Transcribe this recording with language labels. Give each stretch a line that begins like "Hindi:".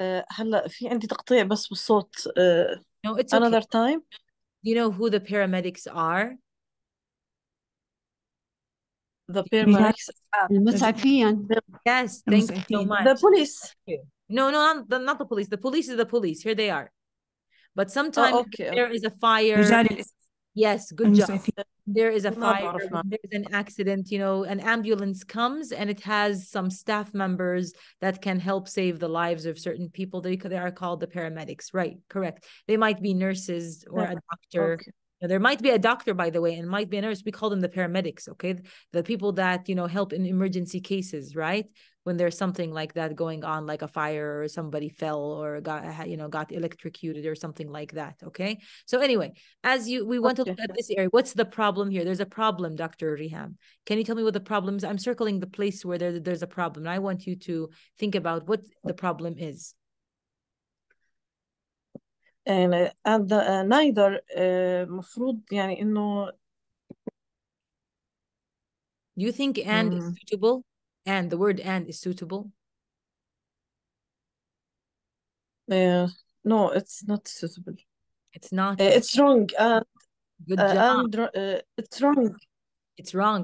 Arabic: هلا في عندي تقطيع بس بالصوت.
English: No, it's okay. Another time. You know who the paramedics are? The paramedics.
Arabic: المسعفين.
English: Yes, thank المسعفين. You so much. The police. No, not the police. The police is the police. Here they are. But sometimes there is a fire. Yes, good job. There is a fire. There is an accident, you know, an ambulance comes and it has some staff members that can help save the lives of certain people. They are called the paramedics. Right, correct. They might be nurses or a doctor. Okay. There might be a doctor, by the way, and might be a nurse. We call them the paramedics, okay? The people that, you know, help in emergency cases, right? When there's something like that going on, like a fire or somebody fell or got electrocuted or something like that. Okay. So anyway, we want to look at this area. What's the problem here? There's a problem, Dr. Riham. Can you tell me what the problem is? I'm circling the place where there's a problem. I want you to think about what the problem is. And neither
Arabic: مفروض يعني إنه.
English: Do you think and is suitable? And the word and is suitable? No, it's not suitable. It's not. It's wrong. And, good job. And, it's wrong. It's wrong.